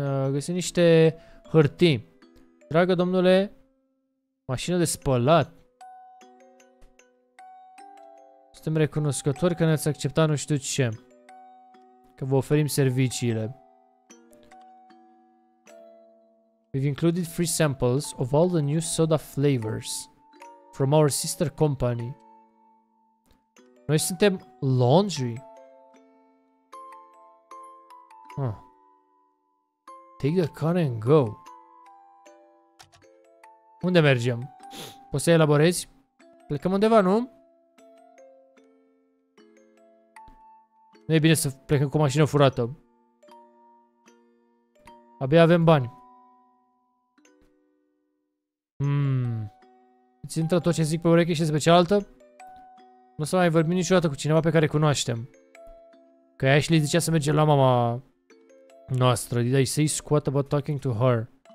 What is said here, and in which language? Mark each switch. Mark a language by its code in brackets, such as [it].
[ro] Găsi niște hârtii. Dragă domnule, mașină de spălat. Suntem recunoscători că ne-ați acceptat nu știu ce. Că vă oferim serviciile. [en] We've included free samples of all the new soda flavors from our sister company. [ro] Noi suntem laundry. [en] Take the car and go. [ro] Unde mergem? Poți să elaborezi? Plecăm undeva, nu? Nu e bine să plecăm cu mașină furată. Abia avem bani. Îți intră tot ce zic pe ureche și pe cealaltă? Nu o să mai vorbim niciodată cu cineva pe care cunoaștem. Că Ashley zicea să mergem la mama... Noastră, [en] did I say squat about talking to her?